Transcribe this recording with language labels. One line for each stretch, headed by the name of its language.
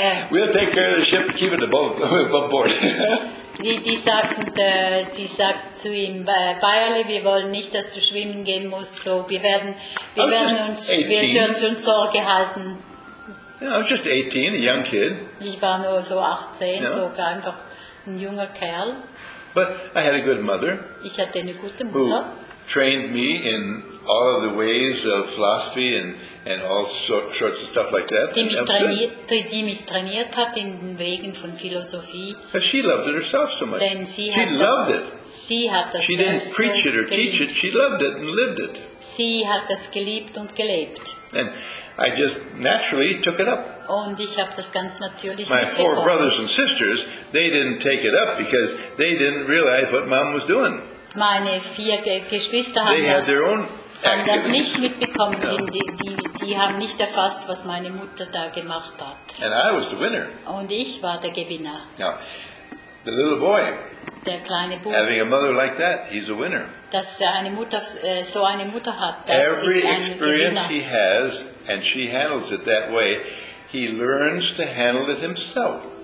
English: We'll take care of the ship, keep it above board.
German: Die sagten zu ihm, Bayerle, wir wollen nicht, dass du schwimmen gehen musst, so wir werden uns schon Sorge halten.
English: Yeah, I was just 18, a young kid.
German: Ich war nur so 18, yeah. So einfach ein junger Kerl.
English: But I had a good mother.
German: Ich hatte eine gute Mutter.
English: Trained me in all of the ways of philosophy and all sorts of stuff like that.
German: Die mich trainiert hat in den Wegen von Philosophie.
English: But she loved it herself so much.
German: Denn
English: she loved it. She didn't preach it or teach it. She loved it and lived it.
German: Sie hat das geliebt und gelebt.
English: And I just naturally took it up.
German: Und ich habe das ganz natürlich
English: My four brothers and sisters, they didn't take it up because they didn't realize what Mom was doing.
German: Meine vier Geschwister haben das nicht mitbekommen. No. Die haben nicht erfasst, was meine Mutter da gemacht hat.
English: And I was the winner.
German: Und ich war der Gewinner.
English: Now, the little boy,
German: der kleine Bub,
English: having a mother like that, he's a winner.
German: Dass er eine Mutter, so eine Mutter hat, das Every ist ein Gewinner.
English: Every experience he has, and she handles it that way, he learns to handle it himself.